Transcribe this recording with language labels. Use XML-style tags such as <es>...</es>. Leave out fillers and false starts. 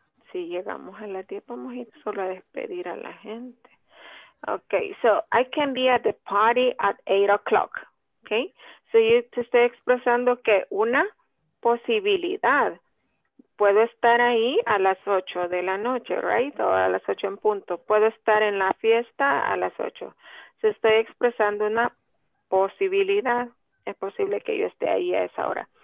<es>Si llegamos a la 10, vamos a ir solo a despedir a la gente.</es> <en>Okay, so I can be at the party at 8 o'clock.</en> <es>Okay, so yo te estoy expresando que una posibilidad, puedo estar ahí a las 8 de la noche, right? O a las 8 en punto. Puedo estar en la fiesta a las 8. So estoy expresando una posibilidad. Es posible que yo esté ahí a esa hora.</es>